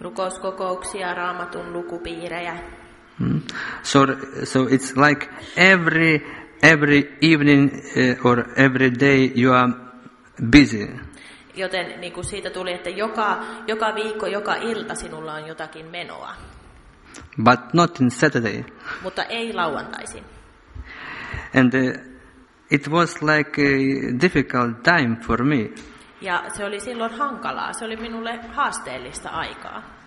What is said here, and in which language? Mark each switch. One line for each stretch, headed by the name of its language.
Finnish: Rukouskokouksia, raamatun lukupiirejä.
English: So it's like every evening or every day you are busy.
Finnish: Joten niin kuin siitä tuli, että joka viikko, joka ilta sinulla on jotakin menoa.
English: But not in Saturday.
Finnish: Mutta ei lauantaisin.
English: And it was like a difficult time for me.
Finnish: Ja se oli silloin hankalaa. Se oli minulle haasteellista aikaa.